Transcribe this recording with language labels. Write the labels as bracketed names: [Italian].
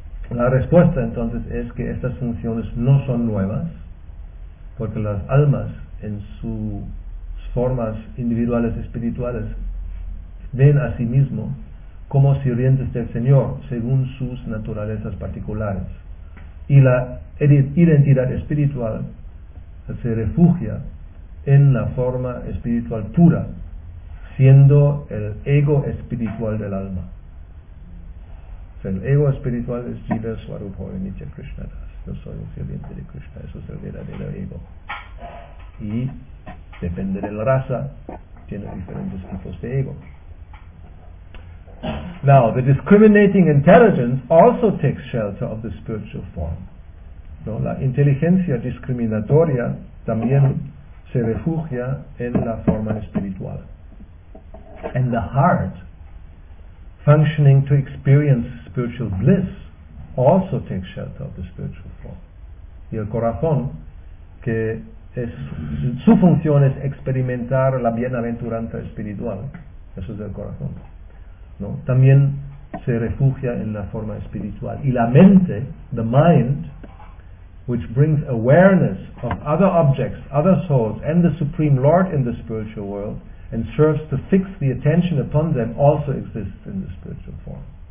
[Spanish] La respuesta entonces es que estas funciones no son nuevas, porque las almas en sus formas individuales espirituales ven a sí mismo como sirvientes del Señor según sus naturalezas particulares, y la identidad espiritual se refugia en la forma espiritual pura, siendo el ego espiritual del alma. O sea, el ego espiritual es Jiva Swarupa Nitya Krishna Das. Yo soy un sirviente de Krishna, eso es el verdadero ego. Y depende de la raza, tiene diferentes tipos de ego. [English] Now, the discriminating intelligence also takes shelter of the spiritual form. [Spanish] ¿No? La inteligencia discriminatoria también se refugia en la forma espiritual. [English] And the heart, functioning to experience spiritual bliss, also takes shelter of the spiritual form. [Spanish] Y el corazón, que es, su función es experimentar la bienaventuranza espiritual, eso es el corazón, ¿no? También se refugia en la forma espiritual. Y la mente, [English] the mind, which brings awareness of other objects, other souls, and the Supreme Lord in the spiritual world, and serves to fix the attention upon them, also exists in the spiritual form.